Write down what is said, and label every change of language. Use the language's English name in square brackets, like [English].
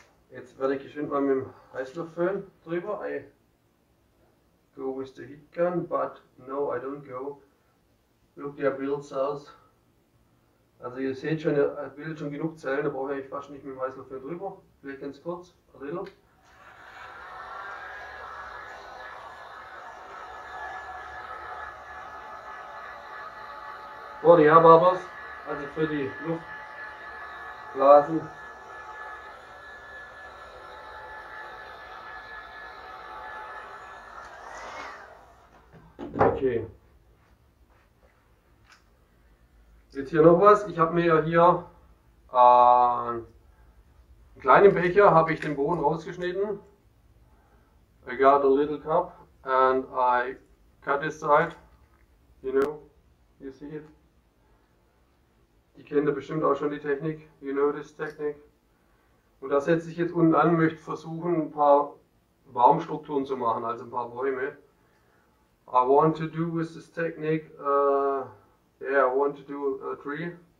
[German] Jetzt werde ich geschwind mal mit dem Heißluftföhn drüber. [English] I go with the heat gun, but no, I don't go. Look, [German] der Bild saß. Also ihr seht schon, er bildet schon genug Zellen, da brauche ich fast nicht mit dem Heißluftföhn drüber. Vielleicht ganz kurz, [English] a little. [German] Vor die Airbubbles, also für die Luftblasen. Okay. Jetzt hier noch was. Ich habe mir ja hier einen kleinen Becher, habe ich den Boden rausgeschnitten. [English] I got a little cup and I cut this side. You know, you see it. [German] Die kennen da bestimmt auch schon die Technik. [English] You know this [German] Technik. Und da setze ich jetzt unten an, möchte versuchen, ein paar Baumstrukturen zu machen, also ein paar Bäume. [English] I want to do with this technique, yeah, I want to do a tree.